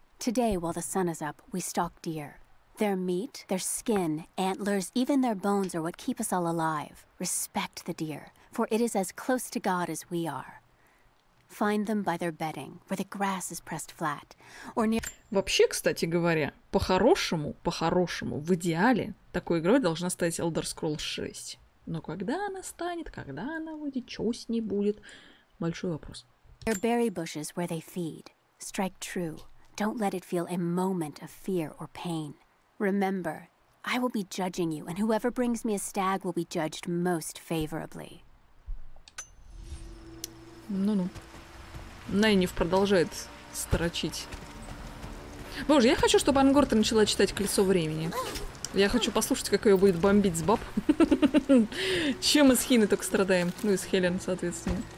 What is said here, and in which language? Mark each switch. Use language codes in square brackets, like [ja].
[en] Today, while the sun is up, we stalk deer. Their meat, their skin, antlers, even their bones are what keep us all alive. Respect the deer, for it is as close to God as we are. Find them by their bedding, where the grass is pressed flat, or near... [ru] Вообще, кстати говоря, по-хорошему, в идеале, такой игрой должна стать Elder Scrolls 6. Но когда она станет, когда она выйдет, чего с ней будет? Большой вопрос. [en] Their berry bushes where they feed. Strike true. Don't let it feel a moment of fear or pain. Remember, I will be judging you, and whoever brings me a stag will be judged most favorably. [ru] Ну-ну. Найниф продолжает строчить. Боже, я хочу, чтобы Ангорта начала читать «Колесо времени». Я хочу послушать, как ее будет бомбить с баб. Чем мы с Хиной только страдаем? Ну и с Хелен, соответственно.